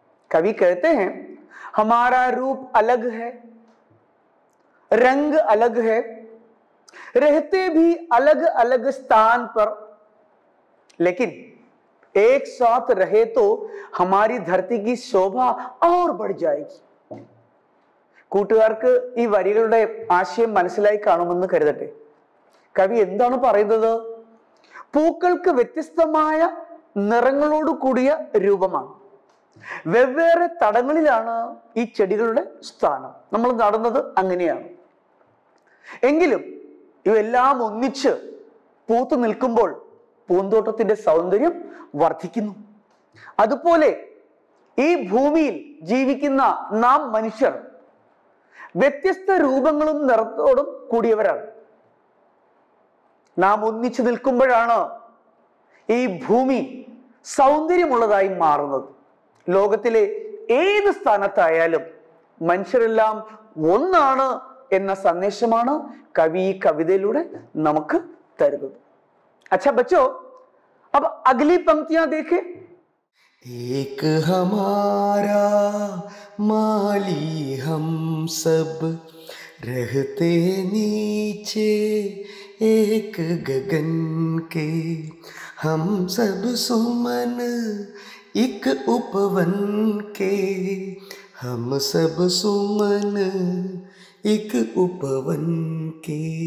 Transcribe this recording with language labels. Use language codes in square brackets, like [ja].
[hi] कवि कहते हैं हमारा रूप अलग है, रंग अलग है, रहते भी अलग अलग स्थान पर, लेकिन एक साथ रहे तो हमारी धरती की शोभा और बढ़ जाएगी। [ml] കൂട്ടുകാർക്ക് ഈ വരികളുടെ ആശയം മനസ്സിലായി കാണുമെന്ന് കരുതട്ടെ. കവി എന്താണ് പറയുന്നത്? പൂക്കൾക്ക് വ്യത്യസ്തമായ നിറങ്ങളോട് കൂടിയ രൂപമാണ്, വെവ്വേറെ തടങ്ങളിലാണ് ഈ ചെടികളുടെ സ്ഥാനം, നമ്മൾ നടന്നത് അങ്ങനെയാണ്. എങ്കിലും ഇവെല്ലാം ഒന്നിച്ച് പൂത്തു നിൽക്കുമ്പോൾ പൂന്തോട്ടത്തിൻ്റെ സൗന്ദര്യം വർദ്ധിക്കുന്നു. അതുപോലെ ഈ ഭൂമിയിൽ ജീവിക്കുന്ന നാം മനുഷ്യർ വ്യത്യസ്ത രൂപങ്ങളും നിറത്തോടും കൂടിയവരാണ്. നാം ഒന്നിച്ചു നിൽക്കുമ്പോഴാണ് ഈ ഭൂമി സൗന്ദര്യമുള്ളതായി മാറുന്നത്. ലോകത്തിലെ ഏത് സ്ഥാനത്തായാലും മനുഷ്യരെല്ലാം ഒന്നാണ് എന്ന സന്ദേശമാണ് കവി ഈ കവിതയിലൂടെ നമുക്ക് തരുന്നത്. [hi] അച്ഛാ ബച്ചോ, അപ്പൊ അഗ്ലി പംക്തിയാ ദേഖേ. एक हमारा माली हम सब रहते नीचे एक गगन के हम सब सुमन एक उपवन के हम सब सुमन एक उपवन के